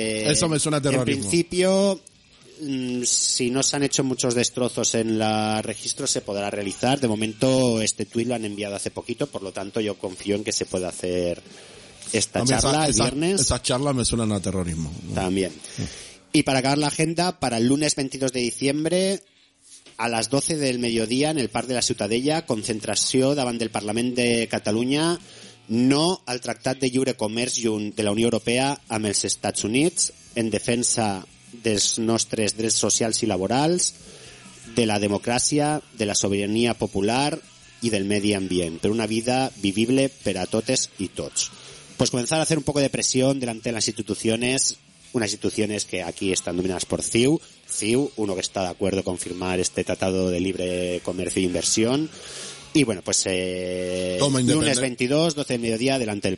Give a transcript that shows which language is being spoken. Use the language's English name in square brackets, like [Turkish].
[Spanish] Eso me suena a terrorismo. En principio, si no se han hecho muchos destrozos en la registro, se podrá realizar. De momento, este tuit lo han enviado hace poquito, por lo tanto, yo confío en que se pueda hacer esta charla el viernes. Esas charlas me suenan a terrorismo. También. Y para acabar la agenda, para el lunes 22 de diciembre, a las 12 del mediodía, en el Parc de la Ciutadella, [Catalan] concentració davant del Parlament de Catalunya, no al Tractat de Lliure Comerç de la Unió Europea amb els Estats Units, en defensa dels nostres drets socials i laborals, de la democràcia, de la sobirania popular, i del medi ambient, per una vida vivible per a totes i tots. [Spanish] Pues comenzar a hacer un poco de presión delante de las instituciones, unas instituciones que aquí están dominadas por CIU, CIU, uno que está de acuerdo con firmar este tratado de libre comercio e inversión. Y bueno, pues lunes 22, 12 del mediodía, delante del